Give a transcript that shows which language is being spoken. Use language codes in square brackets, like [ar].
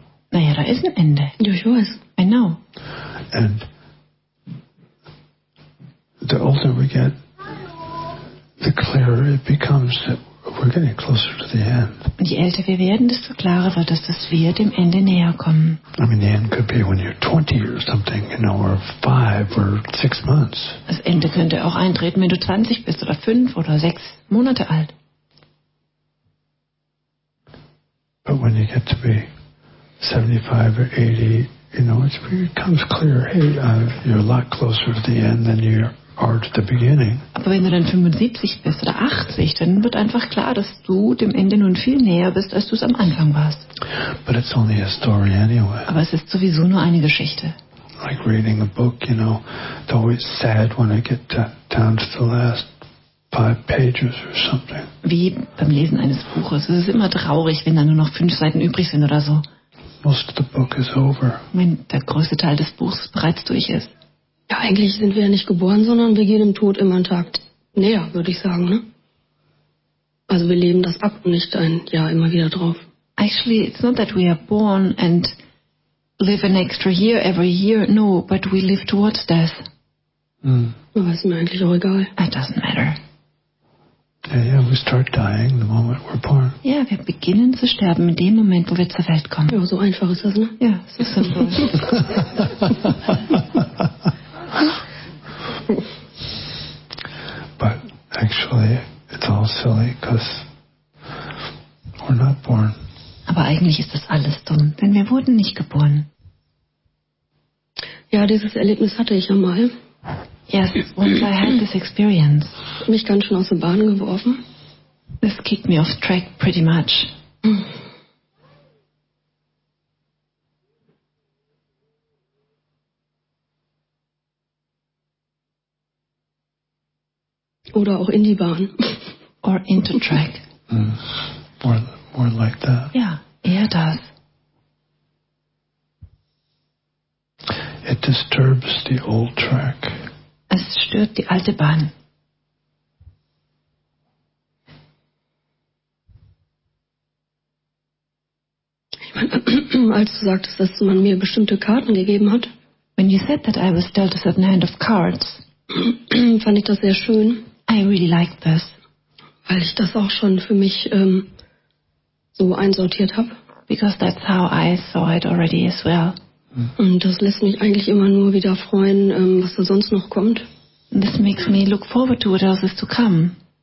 [de] Naja, da ist ein Ende. Ja, ich weiß. [en] I know. And the older we get, the clearer it becomes that we we're getting closer to the end. [de] Und je älter wir werden, desto klarer wird es, dass wir dem Ende näher kommen. [en] I mean, the end could be when you're 20 or something, you know, or 5 or 6 months. [de] Das Ende könnte auch eintreten, wenn du 20 bist oder 5 oder 6 Monate alt. [en] But when you get to be 75 or 80, you know, it becomes clear, hey, you're a lot closer to the end than you are to the beginning. [de] Aber wenn du dann 75 bist oder 80, dann wird einfach klar, dass du dem Ende nun viel näher bist, als du es am Anfang warst. [en] But it's only a story anyway. [de] Aber es ist sowieso nur eine Geschichte. [en] Like reading a book, you know, it's always sad when I get down to the last 5 pages or something. [de] Wie beim Lesen eines Buches. Es ist immer traurig, wenn da nur noch 5 Seiten übrig sind oder so. [en] Most of the book is over. [de] Wenn der größte Teil des Buches bereits durch ist. Ja, eigentlich sind wir ja nicht geboren, sondern wir gehen dem Tod immer einen Tag näher, würde ich sagen, ne? Also wir leben das ab und nicht ein Jahr immer wieder drauf. [en] Actually, it's not that we are born and live an extra year every year. No, but we live towards death. [de] Hm. Aber ist mir eigentlich auch egal. [en] It doesn't matter. Yeah, we start dying the moment we're born. [de] Ja, wir beginnen zu sterben in dem Moment, wo wir zur Welt kommen. Ja, so einfach ist das, ne? Ja, so simpel. [en] But actually, it's all silly, because we're not born. [de] Aber eigentlich ist das alles dumm, denn wir wurden nicht geboren. Ja, dieses Erlebnis hatte ich einmal. [en] Yes, once I had this experience. [de] Mich ganz schön aus der Bahn geworfen. [en] This kicked me off track pretty much. [de] Oder auch in die Bahn. [en] Or into track. More like that. [de] Ja, eher das. [en] It disturbs the old track. [de] Es stört die alte Bahn. Ich meine, als du sagtest, dass man mir bestimmte Karten gegeben hat. [en] When you said that I was dealt a certain hand of cards. [de] Fand ich das sehr schön. [en] I really like this. [de] Weil ich das auch schon für mich so einsortiert habe. [en] Because that's how I saw it already as well. [de] Und das lässt mich eigentlich immer nur wieder freuen, was da sonst noch kommt. [en] This makes me look forward to what else is to come.